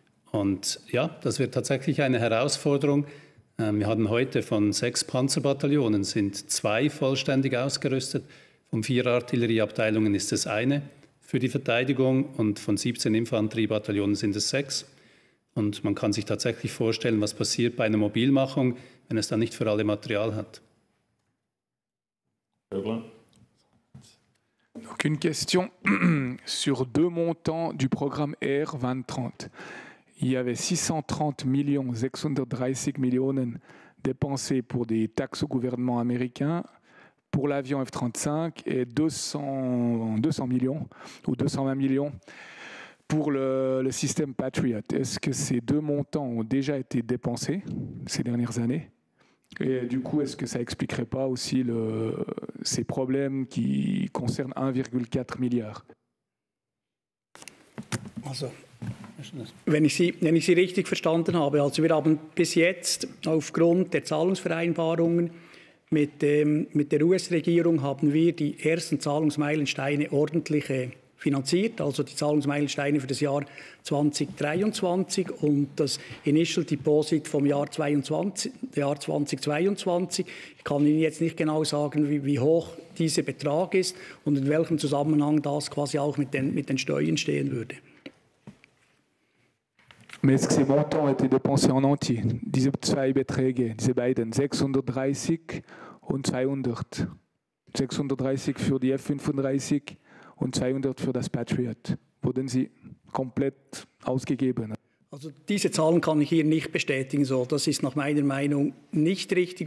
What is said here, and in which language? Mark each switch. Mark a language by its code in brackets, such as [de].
[de] Und ja, das wird tatsächlich eine Herausforderung. Wir haben heute von 6 Panzerbataillonen, sind 2 vollständig ausgerüstet. Von 4 Artillerieabteilungen ist es eine für die Verteidigung und von 17 Infanteriebataillonen sind es 6. Und man kann sich tatsächlich vorstellen, was passiert bei einer Mobilmachung, wenn es dann nicht für alle Material hat. [fr] Donc une question sur deux montants du programme R 2030. Il y avait 630 millions, 630 millionen dépensés pour des taxes au gouvernement américain pour l'avion F-35 et 220 millions pour le système Patriot. Est-ce que ces deux montants ont déjà été dépensés ces dernières années? Et du coup, est-ce que ça n'expliquerait pas aussi ces problèmes qui concernent 1,4 milliard? [de] Also. Wenn ich Sie richtig verstanden habe, also wir haben bis jetzt aufgrund der Zahlungsvereinbarungen mit der US-Regierung haben wir die ersten Zahlungsmeilensteine ordentlich finanziert, also die Zahlungsmeilensteine für das Jahr 2023 und das Initial Deposit vom Jahr 2022. Ich kann Ihnen jetzt nicht genau sagen, wie hoch dieser Betrag ist und in welchem Zusammenhang das quasi auch mit den Steuern stehen würde. [fr] Mais est-ce que ces montants ont été dépensés en entier? [de] Diese zwei Beträge, diese beiden, 630 und 200. 630 für die F-35 und 200 für das Patriot. Wurden sie komplett ausgegeben? Also diese Zahlen kann ich hier nicht bestätigen. So, das ist nach meiner Meinung nicht richtig.